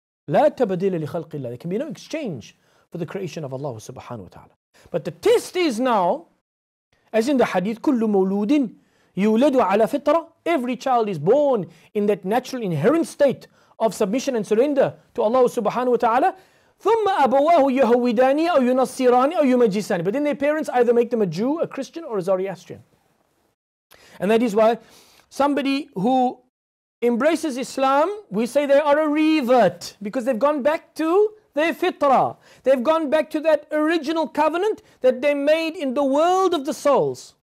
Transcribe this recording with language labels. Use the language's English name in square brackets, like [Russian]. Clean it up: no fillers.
[Arabic] لَا تَبَدِيلَ لِخَلْقِ اللَّهِ. [English] There can be no exchange for the creation of Allah subhanahu wa ta'ala. But the test is now, as in the hadith, [Arabic] كُلُّ مَوْلُودٍ يُولَدُ عَلَى فِطْرَةٍ. [English] Every child is born in that natural inherent state of submission and surrender to Allah subhanahu wa ta'ala. [Arabic] ثم أبواه يهوداني أو ينصيراني أو يمجساني. [English] But then their parents either make them a Jew, a Christian, or a Zoroastrian. And that is why somebody who embraces Islam, we say they are a revert, because they've gone back to their fitrah. They've gone back to that original covenant that they made in the world of the souls.